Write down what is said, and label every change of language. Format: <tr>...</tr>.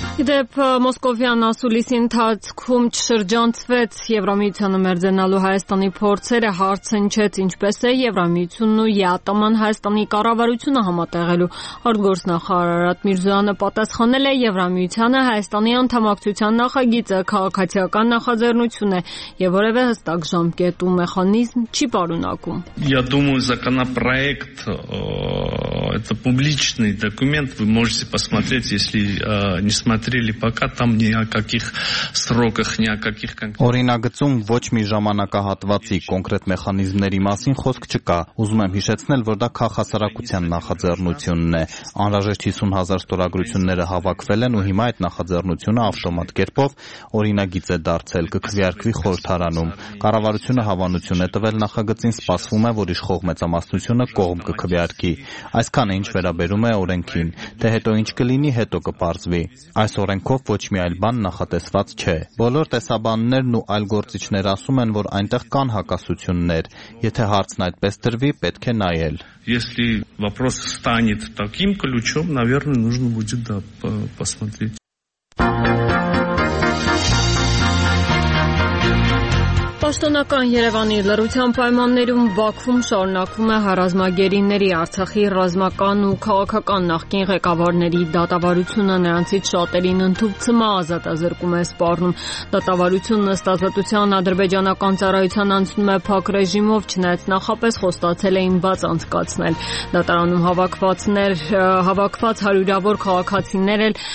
<hy>Դեպ Մոսկովյան ասուլիսի ընթացքում չշրջանցվեց Եվրամիությանը մերձենալու Հայաստանի փորձերը, հարց հնչեց, ինչպես է Եվրամիությունն ու ԵԱՏՄ-ն Հայաստանի կառավարությունը համատեղելու։ Արտգործնախարար Արարատ Միրզոյանը պատասխանել է, Եվրամիությանը Հայաստանի անդամակցության նախագիծը, քաղաքացիական նախաձեռնություն է և որևէ հստակ ժամկետ ու մեխանիզմ չի պարունակում։</hy> <ru>Я думаю, законопроект это публичный документ, вы можете посмотреть, если не смотрели пока там ни о каких сроках, ни о каких конкретных.</ru> <hy>Օրինագծում ոչ մի ժամանակահատվածի կոնկրետ մեխանիզմների մասին խոսք չկա։ Ուզում եմ հիշեցնել, որ դա քաղաքացիական նախաձեռնությունն է։ Անհրաժեշտ 50,000 ստորագրությունները հավաքվել են ու հիմա այդ նախաձեռնությունը ավտոմատ կերպով օրինագիծ է դարձել, կքվեարկվի խորհրդարանում։ Կառավարությունը հավանություն է տվել նախագծին, սպասվում է, որ իշխող մեծամասնությունը կողմ կքվեարկի։ Այսքանը ինչ վերաբերում է օրենքին, թե հետո ինչ կլինի, հետո կպարզվի։ Այս օրենքով ոչ մի այլ բան նախատեսված չէ։ Բոլոր տեսաբաններն ու այլ գործիչներ ասում են, որ այնտեղ կան հակասություններ, եթե հարցն այդպես դրվի, պետք է նայել։</hy> <ru>Если вопрос станет таким ключом, наверное, нужно будет да посмотреть. Па</ru> <hy>Պաշտոնական Երևանի լրության պայմաններում Բաքվում շարունակվում է հարազմագերիների Արցախի ռազմական ու քաղաքական նախկին ղեկավարների դատավարությունը, նրանցից շատերին ընդհուպ ցմա ազատազրկում է սպառնում։ Դատավարությունն ըստ ազատության ադրբեջանական ծառայության անցնում է փակ ռեժիմով, չնայած նախապես խոստացել էին բաց անցկացնել։ Դատարանում հավաքված հարյուրավոր քաղաքացիներ էլ</hy>